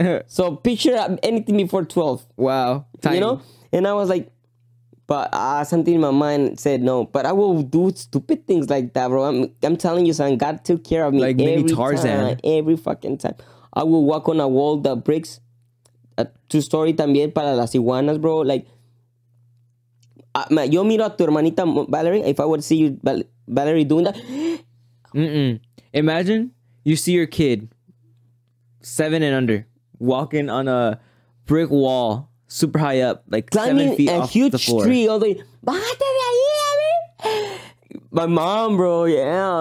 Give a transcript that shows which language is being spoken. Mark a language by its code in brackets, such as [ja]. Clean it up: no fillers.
[en] So picture anything before 12. Wow. Tiny. You know? And I was like, but something in my mind said no. But I will do stupid things like that, bro. I'm telling you, son, God took care of me. Like every mini Tarzan. Time, every fucking time. I will walk on a wall that breaks. A two-story [es] también para las iguanas, bro. [en] Like, [es] yo miro a tu hermanita Valerie. [en] If I would see you, Valerie, doing that. Mm-mm. Imagine you see your kid, 7 and under, walking on a brick wall, super high up, like climbing 7 feet off the floor. Climbing a huge tree all the way. [es] Bájate de ahí, [en] Abby. My mom, bro, yeah.